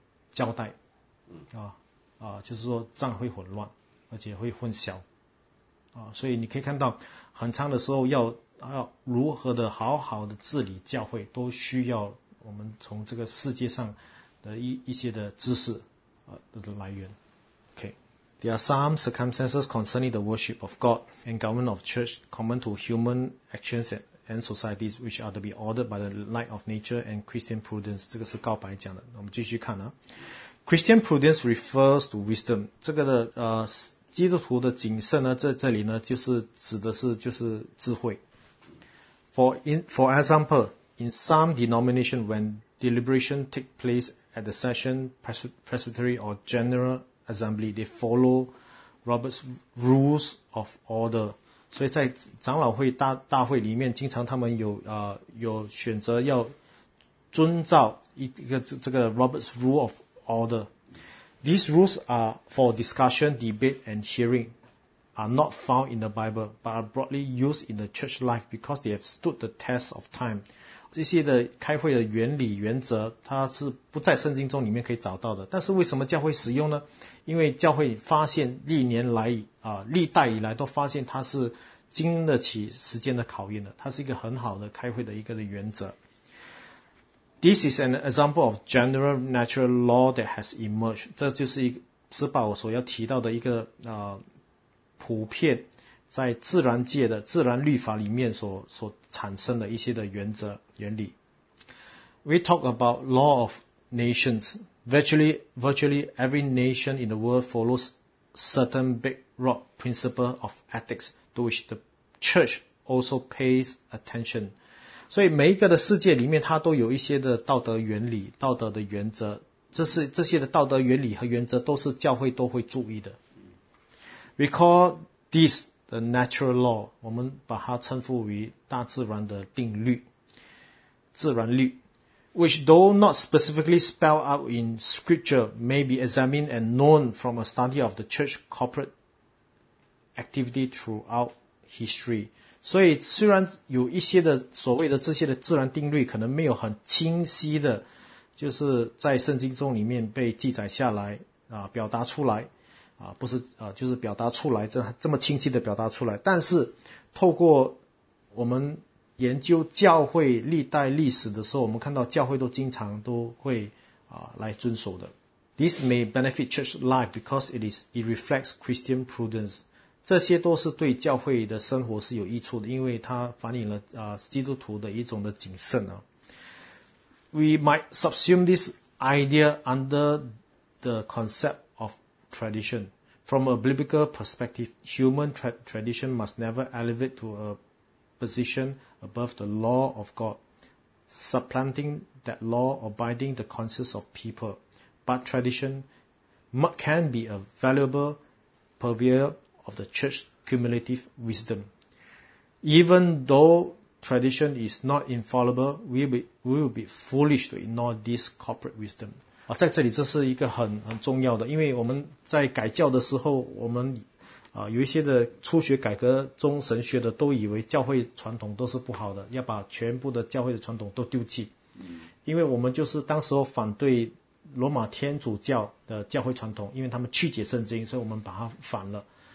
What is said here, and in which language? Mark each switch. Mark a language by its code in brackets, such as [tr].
[zh] 交代就是说账会混乱，而且会混淆所以你可以看到很长的时候要如何的好好的治理教会，都需要我们从这个世界上的一些的知识的来源。 [en] Okay. There are some circumstances concerning the worship of God and government of church common to human actions and societies which are to be ordered by the light of nature and Christian prudence. [zh] 这个是告白讲的，我们继续看啊。 [en] Christian prudence refers to wisdom. [zh] 这个的基督徒的谨慎呢，在这里呢就是指的是就是智慧。 [en] For example,In some denomination, when deliberation take place at the session, presbytery or general assembly, they follow Robert's rules of order. [zh] 所以在长老会大会里面，经常他们有选择要遵照一个这个 Robert's rule of order. [en] These rules are for discussion, debate and hearing, are not found in the Bible, but are broadly used in the church life because they have stood the test of time. [zh] 这些的开会的原理原则它是不在圣经中里面可以找到的，但是为什么教会使用呢？因为教会发现历年来历代以来都发现它是经得起时间的考验的，它是一个很好的开会的一个的原则。 [en] This is an example of general natural law that has emerged. [zh] 这就是把我所要提到的一个普遍在自然界的自然律法里面所产生的一些的原则原理。 [en] We talk about law of nations. Virtually every nation in the world follows certain bedrock principle of ethics to which the church also pays attention. [zh] 所以每一个的世界里面它都有一些的道德原理道德的原则，这些的道德原理和原则都是教会都会注意的。 [en] We call thisThe natural law, [zh] 我们把它称呼为大自然的定律，自然律 [en] which though not specifically spelled out in scripture, may be examined and known from a study of the church corporate activity throughout history。 [zh] 所以虽然有一些的所谓的这些的自然定律可能没有很清晰的就是在圣经中里面被记载下来啊，表达出来啊，不是啊，就是表达出来这么清晰的表达出来，但是透过我们研究教会历代历史的时候，我们看到教会都经常都会啊来遵守的。 [en] This may benefit church life because it reflects Christian prudence。 [zh] 这些都是对教会的生活是有益处的，因为它反映了啊基督徒的一种的谨慎啊。 [en] We might subsume this idea under the concept of tradition. From a biblical perspective, human tradition must never elevate to a position above the law of God, supplanting that law or binding the conscience of people. But tradition can be a valuable purveyor of the church cumulative wisdom. Even though tradition is not infallible, we will be foolish to ignore this corporate wisdom. [zh] 啊，在这里这是一个很重要的，因为我们在改教的时候，我们啊有一些的初学改革中神学的都以为教会传统都是不好的，要把全部的教会的传统都丢弃。因为我们就是当时候反对罗马天主教的教会传统，因为他们曲解圣经，所以我们把它反了。